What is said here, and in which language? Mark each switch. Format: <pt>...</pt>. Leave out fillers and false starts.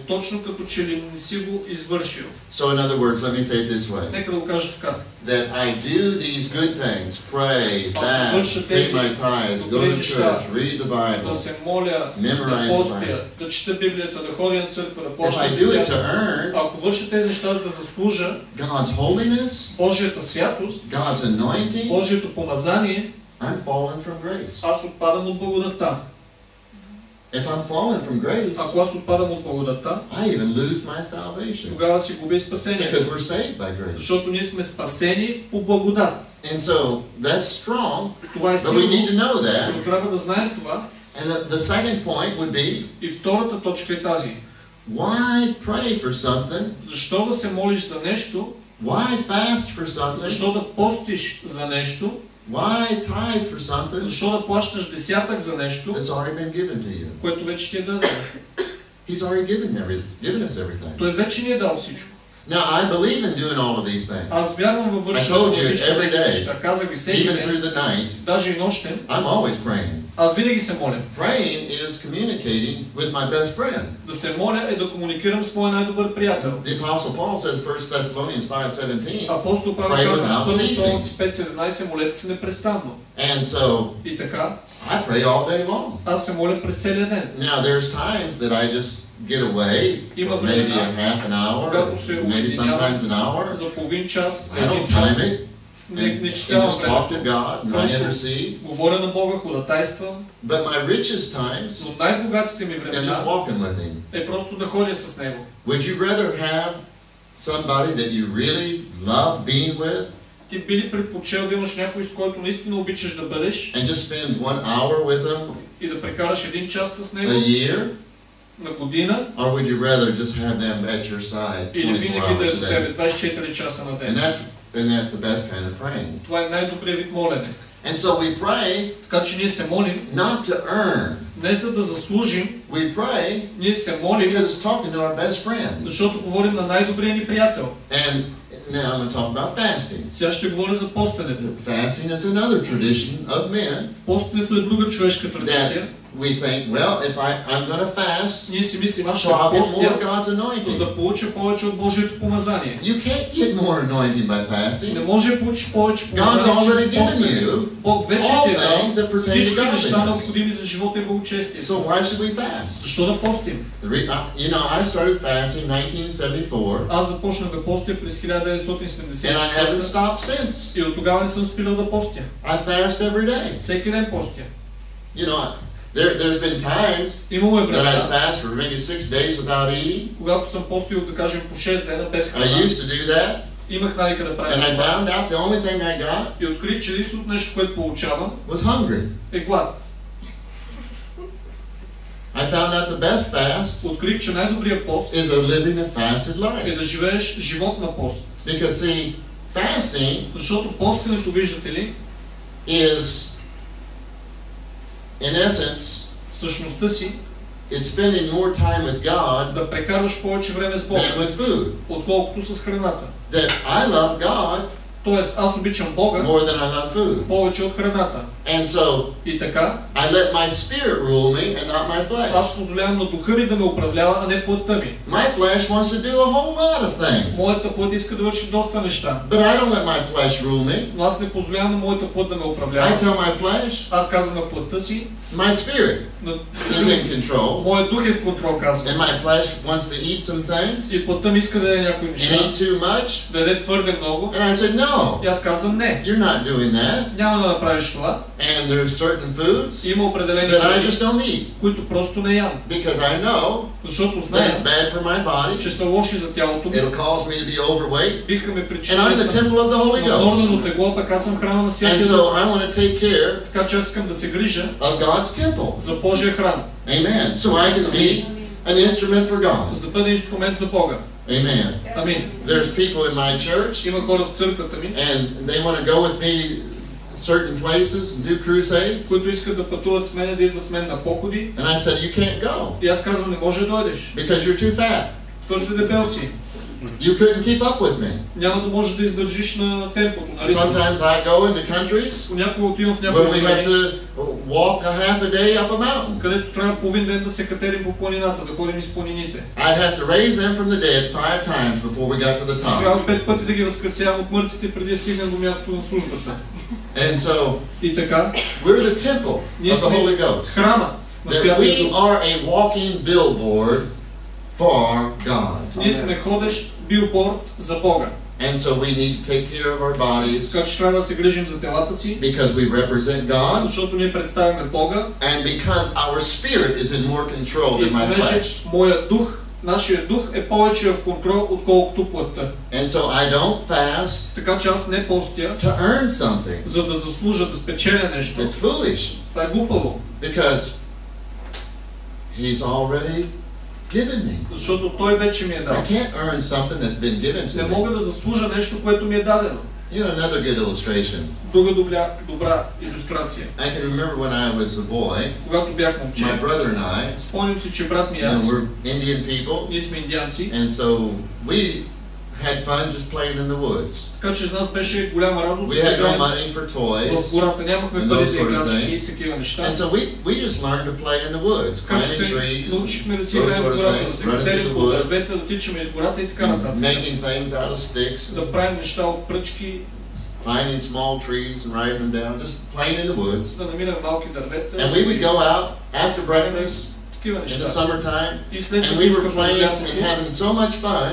<bg>Точно като че ли не си го извършил.</bg> <en>So in other words, let me say it this way.</en> <bg>Нека да го кажа така.</bg> <en>That I do these good things, pray, fast, pay my tithes, go to church, read the Bible,</en> <bg>да се моля,</bg> <en>memorize</en> <bg>да постя, да чета Библията, да ходя на църква, да почна да се</bg> <en>earn,</en> <bg>ако върша тези неща, да заслужа</bg> <en>God's holiness,</en> <bg>Божията святост,</bg> <en>God's anointing,</en> <bg>Божието помазание,</bg> <en>I'm fallen from grace.</en> <bg>Аз отпадам от благодата.</bg> <en>If I'm fallen from grace,</en> <bg>ако аз отпадам от благодата,</bg> <en>I even lose my salvation.</en> <bg>Тогава си губя спасението.</bg> <en>Because we're saved by grace.</en> <bg>Защото ние сме спасени по благодат.</bg> <en>And so that's strong.</en> <bg>Това е силно.</bg> <en>But we need to know that.</en> <bg>Но трябва да знаем това.</bg> <en>And the second point would be.</en> <bg>И втората точка е тази.</bg> <en>Why pray for something?</en> <bg>Защо да се молиш за нещо?</bg> <en>Why fast for something?</en> <bg>Защо да постиш за нещо?</bg> <en>Why tithe for something?</en> <bg>Защо да плащаш десятък за нещо?</bg> <en>That's already been given to you.</en> <bg>Което вече ти е дадено.</bg> <en>He's already given us everything.</en> <bg>Той вече ни е дал всичко.</bg> <en>Now I believe in doing all of these things.</en> <bg>Аз вярвам във вършенето на всичко тези неща. Казах ви всеки ден.</bg> <en>Even through the night.</en> <bg>Даже и нощем.</bg> <en>I'm always praying.</en> <bg>Аз винаги се моля.</bg> <en>Praying is communicating with my best friend.</en> <bg>Да се моля е да комуникирам с моя най-добър приятел.</bg> <en>The Apostle Paul said in 1 Thessalonians 5:17.</en> <bg>Апостол Павел каза в 1 Солунци 5:17, молете се непрестанно.</bg> <en>And so,</en> <bg>и така,</bg> <en>I pray all day long.</en> <bg>Аз се моля през целия ден.</bg> <en>Now there's times that I just get away,</en> <bg>има</bg> <en>for maybe a half an hour, maybe sometimes an hour.</en> <bg>За половин час, за</bg> <en>I don't time</en> <bg>час.</bg> <en>It. And just talk to God, and I intercede.</en> <bg>Говоря на Бога, ходатайствам.</bg> <en>But my richest times,</en> <bg>най-богатите ми времена,</bg> <en>is just walking with Him.</en> <bg>Е просто да ходя с Него.</bg> <en>Would you rather have somebody that you really love being with?</en> <bg>Ти би ли предпочел да имаш някой, с който наистина обичаш да бъдеш?</bg> <en>And just spend 1 hour with Him.</en> <bg>И да прекараш един час с Него.</bg> <en>A year.</en> <bg>На година,</bg> <en>or would you rather just have them at your side 24 hours a day?</en> <bg>Да тебе, 24 часа на ден.</bg> <en>And that's the best kind of praying.</en> <bg>Това е най-добрият вид молене.</bg> <en>And so we pray,</en> <bg>така че ние се молим,</bg> <en>not to earn,</en> <bg>не за да заслужим.</bg> <en>We pray,</en> <bg>ние се молим,</bg> <en>because it's talking to our best friend.</en> <bg>Защото говорим на най-добрия ни приятел.</bg> <en>And now I'm going to talk about fasting.</en> <bg>Сега ще говоря за постенето.</bg> <en>Fasting is another tradition of men.</en> <bg>Постенето е друга човешка традиция.</bg> <en>We think, well, if I'm going to fast,</en> <bg>ние си мислим,</bg> <en>so I'll get more of God's anointing.</en> <bg>Да получа повече от Божието помазание.</bg> <en>You can't get more anointing by fasting.</en> <bg>Не може да получиш повече</bg> <en>God's already given you</en> <bg>Бог вече</bg> <en>all things that pertain to God.</en> <bg>Всички неща необходими за живота и благочестие.</bg> <en>So why should we fast?</en> <bg>Защо да постим?</bg> <en>You know, I started fasting in 1974.</en> <bg>Аз започнах да постя през 1974.</bg> <en>And I haven't stopped since.</en> <bg>И от тогава не съм спирал да постя.</bg> <en>I fast every day.</en> <bg>Всеки ден постя.</bg> <en>You know, There's been times that I'd fast for maybe 6 days without eating.</en> <bg>Когато съм постил, да кажем, по 6 дена без храна.</bg> <en>I used to do that.</en> <bg>Имах навика да правя.</bg> <en>And I found out the only thing I got.</en> <bg>И открих, че единственото нещо, което получавам,</bg> <en>was hungry.</en> <bg>Е глад.</bg> <en>I found out the best fast.</en> <bg>Открих, че най-добрият пост</bg> <en>is a living a fasted life.</en> <bg>Е да живееш живот на пост.</bg> <en>Because see, fasting,</en> <bg>защото постенето, виждате ли,</bg> <en>is in essence,</en> <bg>същността си,</bg> <en>it's spending more time with God,</en> <bg>да прекарваш повече време с Бога,</bg> <en>than with food,</en> <bg>отколкото с храната.</bg> <en>That I love God,</en> <bg>тоест аз обичам Бога,</bg> <en>more than I love food,</en> <bg>повече от храната.</bg> <en>And so</en> <bg>и така,</bg> <en>I let my spirit rule me and not my flesh.</en> <bg>Аз позволявам на духа ми да ме управлява, а не плътта ми.</bg> <en>My flesh wants to do a whole lot of things.</en> <bg>Моята плът иска да върши доста неща.</bg> <en>But I don't let my flesh rule me.</en> <bg>Но аз не позволявам на моята плът да ме управлява.</bg> <en>I tell my flesh.</en> <bg>Аз казвам на плътта си.</bg> <en>My spirit is in control.</en> <bg>Моят дух е в контрол, казвам.</bg> <en>And my flesh wants to eat some things.</en> <bg>И плътта ми иска да яде някои неща.</bg> <en>Eat too much.</en> <bg>Да яде твърде много.</bg> <en>And I said no.</en> <bg>И аз казвам не.</bg> <en>You're not doing that.</en> <bg>Няма да направиш това.</bg> <en>And there are certain foods that I just don't eat,</en> <bg>които просто не ям.</bg> <en>Because I know that it's bad for my body,</en> <bg>че са лоши за тялото ми.</bg> <en>It'll cause me to be overweight. And I'm the temple of the Holy Ghost.</en> <bg>Пък аз съм храна на</bg> <en>Святия Дух. And so I want to take care,</en> <bg>така че аз искам да се грижа</bg> <en>of God's temple.</en> <bg>За Божия храм.</bg> <en>Amen. So I can be an instrument for God.</en> <bg>За да бъда инструмент за Бога.</bg> <en>Amen.</en> <bg>Амин.</bg> <en>There's people in my church.</en> <bg>Има хора в църквата ми.</bg> <en>And they want to go with me certain places and do crusades.</en> <bg>Които искат да пътуват с мен, да идват с мен на походи.</bg> <en>And I said you can't go.</en> <bg>И аз казвам не можеш да дойдеш.</bg> <en>Because you're too fat.</en> <bg>Твърде дебел си.</bg> <en>You couldn't keep up with me.</en> <bg>Няма да можеш да издържиш на темпото.</bg> <en>Sometimes I go into countries.</en> <bg>Понякога отивам в някои страни.</bg> <en>Where we have to walk a half a day up a mountain.</en> <bg>Където трябва половин ден да се катерим по планината, да ходим из планините.</bg> <en>I'd have to raise them from the dead five times before we got to the top.</en> <bg>Трябва пет пъти да ги възкресявам от мъртвите преди да стигнем до мястото на службата.</bg> <en>And so,</en> <bg>и така,</bg> <en>we're the temple of the Holy Ghost.</en> <bg>Храма на Святия Дух.</bg> <en>We are a walking billboard for God.</en> <bg>Ние сме ходещ билборд за Бога.</bg> <en>And so we need to take care of our bodies.</en> <bg>Като ще трябва да се грижим за телата си.</bg> <en>Because we represent God.</en> <bg>Защото ние представяме Бога.</bg> <en>And because our spirit is in more control than my flesh.</en> <bg>Моят дух, нашия дух е повече в контрол, отколкото плътта.</bg> <en>And so I don't fast.</en> <bg>Така че аз не постя.</bg> <en>To earn something.</en> <bg>За да заслужа, да спечеля нещо.</bg> <en>It's foolish.</en> <bg>Това е глупаво.</bg> <en>Because he's already given me.</en> <bg>Защото той вече ми е дал.</bg> <en>I can't earn something that's been given to me.</en> <bg>Не мога да заслужа нещо, което ми е дадено.</bg> <en>You know, another good illustration.</en> <bg>Друга добра илюстрация.</bg> <en>I can remember when I was a boy.</en> <bg>Когато бях момче.</bg> <en>My brother and I.</en> <bg>Спомням си, че брат ми и аз.</bg> <en>And we're Indian people.</en> <bg>Ние сме индианци.</bg> <en>And so we had fun just playing in the woods.</en> <bg>Така че за нас беше голяма радост.</bg> <en>We had no money for toys.</en> <bg>В гората нямахме пари за играчки и такива неща.</bg> <en>And so we just learned to play in the woods. Climbing trees.</en> <bg>Научихме да си играем в гората, да се катерим по дървета, да тичаме из гората и така нататък.</bg> <en>Making things out of sticks.</en> <bg>Да правим неща от пръчки.</bg> <en>Finding small trees and writing them down. Just playing in the woods.</en> <bg>Да намираме малки дървета.</bg> <en>And we would go out after breakfast. In the summertime, and we were playing and having so much fun.</en>